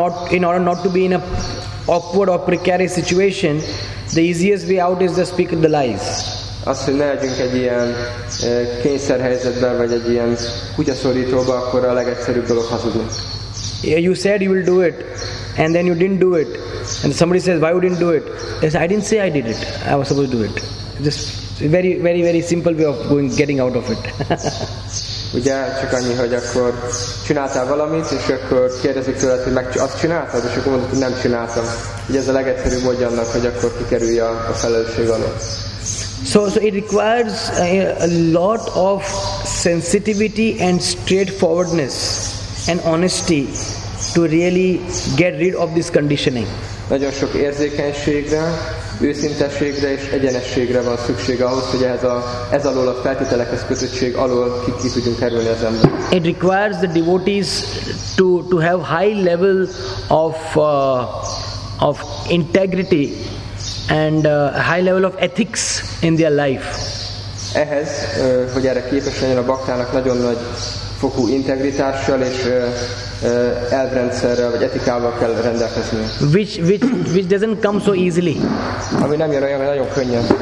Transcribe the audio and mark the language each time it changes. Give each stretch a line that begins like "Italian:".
English: In order not to be in a awkward or precarious situation, the easiest way out is to speak the lies.
Hungarian: Az, hogy ne legyünk egy ilyen kényszerhelyzetben, vagy egy ilyen kutyaszorítóban, akkor a legegyszerűbb dolog hazudni.
English: You said you will do it, and then you didn't do it. And somebody says, why you didn't do it? They say, I didn't say I did it. I was supposed to do it. Just very, very, very simple way of going, getting out of it.
Hungarian: Ugye, csak annyi, hogy akkor csináltál valamit, és akkor kérdezik tőled, hogy meg azt csináltad, és akkor mondod, hogy nem csináltam. Ugye ez a legegyszerűbb módja annak, hogy akkor kikerülje a felelősség alól.
English: So it requires a lot of sensitivity and straightforwardness and honesty to really get rid of this conditioning.
Hungarian: Nagyon sok érzékenységre, őszintességre és egyenességre van szükség ahhoz, hogy ez alól a feltételekhez kötöttség alól ki tudjunk kerülni az ember.
English: It requires the devotees to have high level of integrity and high level of ethics in their life.
Hungarian: Ehhez, hogy erre képes legyen a baktának nagyon nagy fokú integritással és elrendszerrel vagy etikával kell rendelkezni.
English: Which doesn't come so easily.
Hungarian: Ami nem jön olyan nagyon könnyen.